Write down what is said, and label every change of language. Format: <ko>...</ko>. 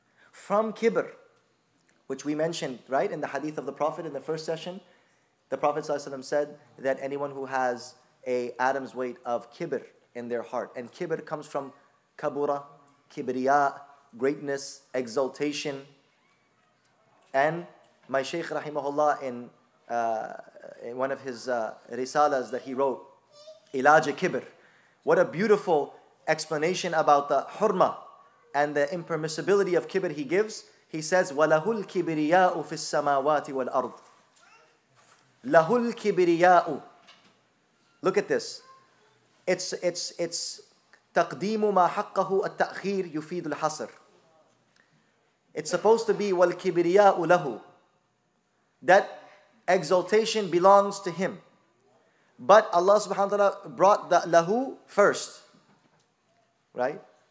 <en>From kibr, which we mentioned, right, in the hadith of the Prophet in the first session, the Prophet ﷺ said that anyone who has a Adam's weight of kibr in their heart, and kibr comes from kabura, kibriya, greatness, exaltation. And my Shaykh rahimahullah in one of his risalas that he wrote, Ilaj-e Kibr, what a beautiful explanation about the hurma and the impermissibility of kibr he gives. He says,</en> <ar>وَلَهُ الْكِبْرِيَاءُ فِي السَّمَاوَاتِ وَالْأَرْضِ لَهُ الْكِبْرِيَاءُ.</ar> <en>Look at this. It's</en> <ar>تَقْدِيمُ مَا حَقَّهُ التَّأْخِيرُ يُفِيدُ الْحَصْرِ.</ar> <en>It's supposed to be</en> <ar>وَالْكِبْرِيَاءُ لَهُ,</ar> <en>that exaltation belongs to him. But Allah subhanahu wa ta'ala brought the lahu first, right?</en>